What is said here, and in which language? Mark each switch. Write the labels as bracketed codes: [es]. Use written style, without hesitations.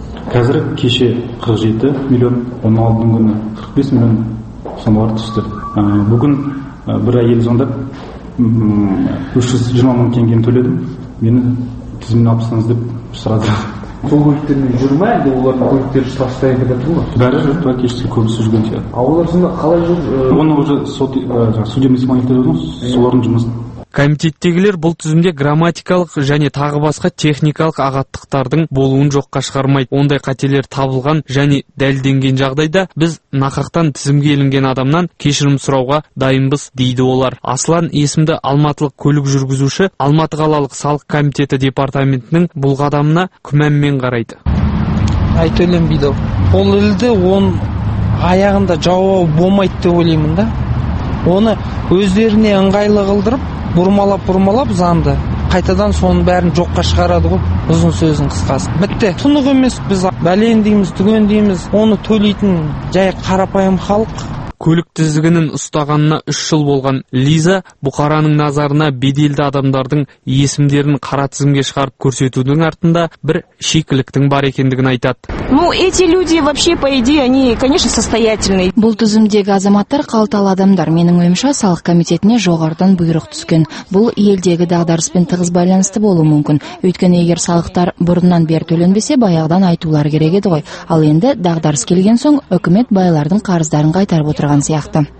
[kk] Қазір кеше 47 миллион, 16 күні 45 миллион сомалар түсті. Бүгін бір әйел зондап 320 мың теңгені төледім. Мені тізімін алыпсаңыз деп сұрады. Сол көліктермен жүр ма, әлде олардың көліктері тұтастай деп жатыр ма? Бәрі жүрді, бірақ кешке көбісі жүрген сияқты. А олар сонда қалай жүр? Оны [ru] уже судебный исполнитель [kk] деп отырмыз, солардың жұмысы. Комитеттегілер бұл тізімде грамматикалық және тағы басқа техникалық ағаттықтардың болуын жоққа шығармайды. Ондай қателер табылған және дәлденген жағдайда біз нақақтан тізімге ілінген адамнан кешірім сұрауға дайынбыз дейді олар. Аслан есімді алматылық көлік жүргізуші Алматы қалалық салық комитеті департаментінің бұл қадамына күмәнмен қарайды. Айтөлем бидов. Ол ілді он аяғында жауабы болмайды деп ойлаймын да. Оны өздеріне ыңғайлы қылдырып бұрмалап-бұрмалап заңды қайтадан соның бәрін жоққа шығарады ғой. Ұзын сөзін қысқасы бітті. Тұнық емес, біз бәлен дейміз, түген дейміз, оны төлейтін жай қарапайым халық. Көлік тізгінін ұстағанына 3 жыл болған Лиза Бұқараның назарына беделді адамдардың есімдерін қара тізімге шығарып көрсетудің артында бір шикіліктің бар екендігін айтады. [ru] Ну, эти люди вообще по идее, они, конечно, состоятельные. [kk] Бұл тізімдегі азаматтар қалталы адамдар. Менің ойымша салық комитетіне жоғарыдан бұйрық түскен. Бұл елдегі дағдарыспен тығыз байланысты болуы мүмкін. Өйткені егер салықтар бұрыннан бер төленбесе, баяғыдан айтулар керек еді ғой. Ал енді дағдарыс келген соң үкімет байлардың қарыздарын қайтарып отырған сияқты.